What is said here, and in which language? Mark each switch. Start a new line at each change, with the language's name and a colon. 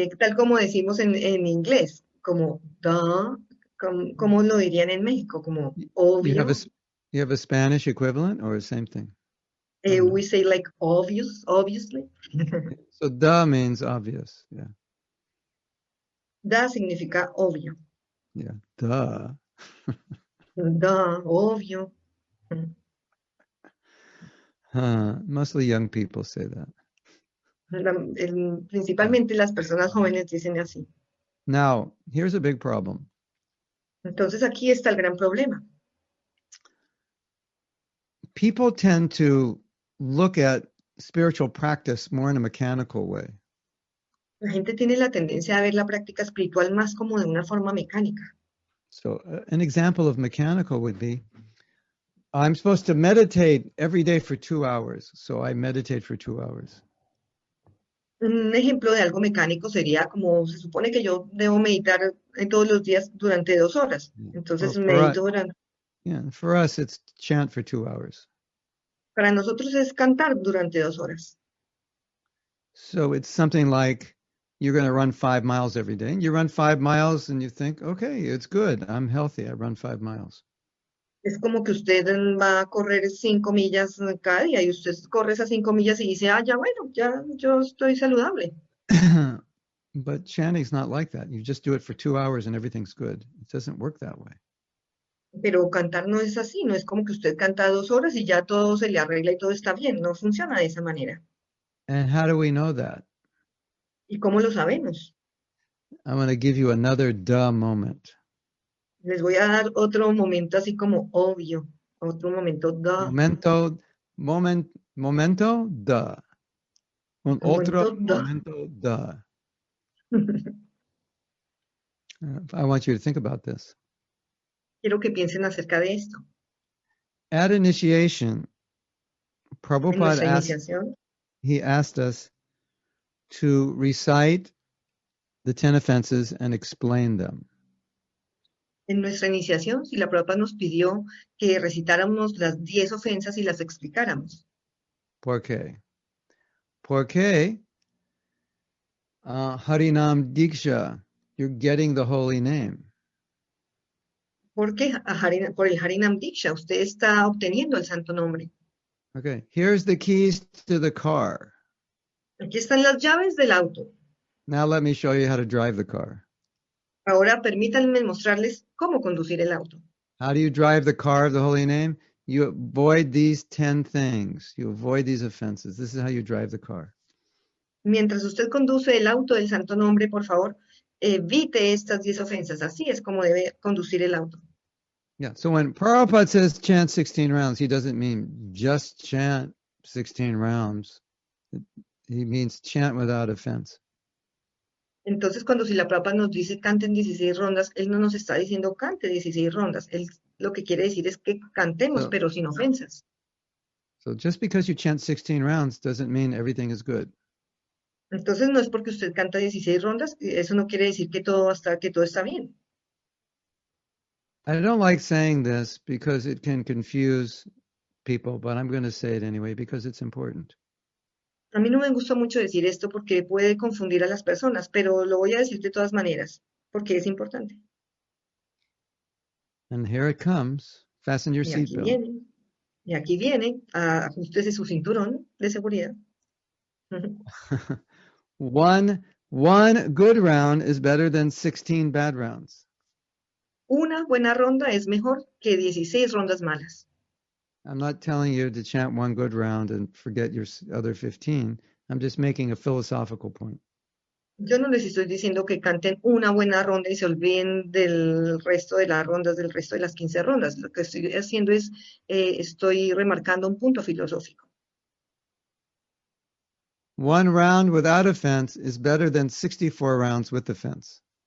Spanish: Tal como decimos en inglés, como duh, como lo dirían en México, como obvio.
English: You have a Spanish equivalent or the same thing? We say like obvious, obviously. So duh means obvious, yeah.
Spanish: Duh significa obvio.
English: Yeah, duh.
Spanish: Duh, obvio.
English: Mostly young people say that.
Spanish: Principalmente las personas jóvenes dicen así.
English: Now, here's a big problem.
Spanish: Entonces aquí está el gran problema.
English: People tend to look at spiritual practice more in a mechanical way.
Spanish: La gente tiene la tendencia a ver la práctica espiritual más como de una forma mecánica.
English: So, an example of mechanical would be, I'm supposed to meditate every day for 2 hours, so I meditate for 2 hours.
Spanish: Un ejemplo de algo mecánico sería como se supone que yo debo meditar todos los días durante 2 horas. Entonces
English: well,
Spanish: medito durante.
English: Yeah, for us it's chant for 2 hours.
Spanish: Para nosotros es cantar durante 2 horas.
English: So it's something like you're going to run 5 miles every day. You run 5 miles and you think, okay, it's good. I'm healthy. I run 5 miles.
Spanish: Es como que usted va a correr 5 millas cada día y usted corre esas 5 millas y dice, ah, ya bueno, ya yo estoy saludable.
English: But chanting's not like that. You just do it for 2 hours and everything's good. It doesn't work that way.
Spanish: Pero cantar no es así. No es como que usted canta 2 horas y ya todo se le arregla y todo está bien. No funciona de esa manera.
English: And how do we know that?
Spanish: ¿Y cómo lo sabemos?
English: I'm going to give you another duh moment.
Spanish: Les voy a dar otro momento así como obvio. Otro momento, duh. Momento, moment, momento, duh. Un otro momento, duh.
English: I want you to think about this.
Spanish: Quiero que piensen acerca de esto.
English: At initiation, Prabhupada asked us to recite the 10 offenses and explain them.
Spanish: En nuestra iniciación, si la Prabhupada nos pidió que recitáramos las 10 ofensas y las explicáramos. ¿Por qué? Porque
English: Harinam Diksha, you're getting the holy name.
Spanish: ¿Por qué? Por el Harinam Diksha, usted está obteniendo el santo nombre.
English: Okay, here's the keys to the car.
Spanish: Aquí están las llaves del auto.
English: Now let me show you how to drive the car.
Spanish: Ahora permítanme mostrarles cómo conducir el auto.
English: How do you drive the car of the holy name? You avoid these 10 things. You avoid these offenses. This is how you drive the car.
Spanish: Mientras usted conduce el auto del santo nombre, por favor, evite estas 10 ofensas. Así es como debe conducir el auto.
English: Yeah, so when Prabhupada says chant 16 rounds, he doesn't mean just chant 16 rounds. He means chant without offense.
Spanish: Entonces, cuando si la Prabhupada nos dice canten 16 rondas, él no nos está diciendo cante 16 rondas. Él lo que quiere decir es que cantemos, pero sin ofensas.
English: So just because you chant 16 rounds doesn't mean everything is good.
Spanish: Entonces, no es porque usted canta 16 rondas, eso no quiere decir que todo está bien.
English: I don't like saying this because it can confuse people, but I'm going to say it anyway because it's important.
Spanish: A mí no me gusta mucho decir esto porque puede confundir a las personas, pero lo voy a decir de todas maneras, porque es importante.
English: And here it comes. Fasten your seatbelt.
Spanish: Y aquí viene. Ajústese su cinturón de seguridad.
English: One good round is better than 16 bad rounds.
Spanish: Una buena ronda es mejor que 16 rondas malas.
English: I'm not telling you to chant one good round and forget your other 15. I'm just making a philosophical point.
Spanish: Yo no les estoy diciendo que canten una buena ronda y se olviden del resto de las rondas, del resto de las 15 rondas. Lo que estoy haciendo es, estoy remarcando un punto filosófico.
English: One round without offense is better than 64 rounds with offense.